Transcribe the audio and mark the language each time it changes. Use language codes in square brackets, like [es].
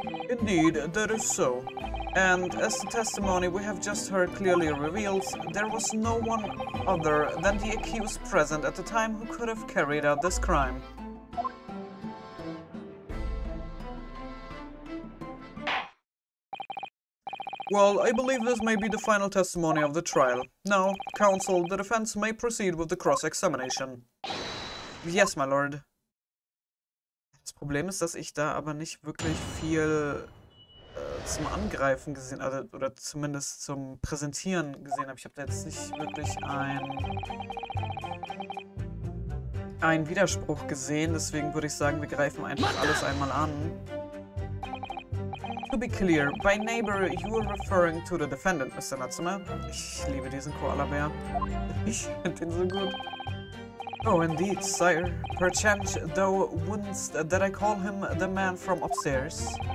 [en] Indeed, that is so. And as the testimony we have just heard clearly reveals, there was no one other than the accused present at the time who could have carried out this crime. Well, I believe this may be the final testimony of the trial. Now, counsel, the defense may proceed with the cross-examination. Yes, my lord. [de] Das Problem ist, dass ich da aber nicht wirklich viel zum Angreifen gesehen, also, oder zumindest zum Präsentieren gesehen habe. Ich habe da jetzt nicht wirklich einen Widerspruch gesehen, deswegen würde ich sagen, wir greifen einfach alles einmal an. [en] To be clear, by neighbor, you are referring to the defendant, Mr. [de] Natsume. Ich liebe diesen Koala-Bär. Ich finde ihn so gut. [en] Oh, indeed, sire. Perchance, thou wouldst that I call him the man from upstairs.